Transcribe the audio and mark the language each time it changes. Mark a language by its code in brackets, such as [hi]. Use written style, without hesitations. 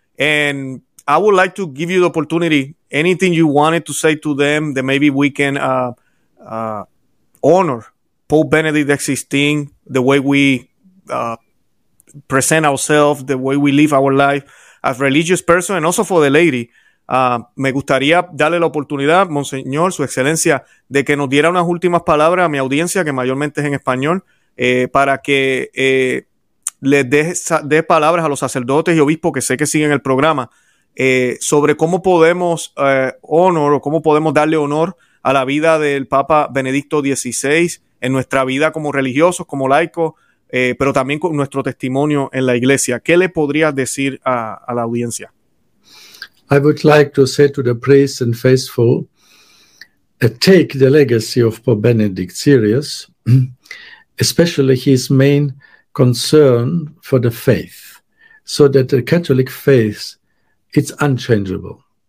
[en] And I would like to give you the opportunity, anything you wanted to say to them, that maybe we can honor Pope Benedict XVI, the way we present ourselves, the way we live our life as religious person, and also for the lady. [es] Me gustaría darle la oportunidad, Monseñor, Su Excelencia, de que nos diera unas últimas palabras a mi audiencia, que mayormente es en español, para que le dé palabras a los sacerdotes y obispos que sé que siguen el programa, sobre cómo podemos honor o cómo podemos darle honor a la vida del Papa Benedicto XVI en nuestra vida como religiosos, como laicos, pero también con nuestro testimonio en la iglesia. ¿Qué le podría decir a la audiencia? [en] I would like to say to the priests and faithful, take the legacy of Pope Benedict serious, especially his main concern for the faith. so that the Catholic faith, it's unchangeable.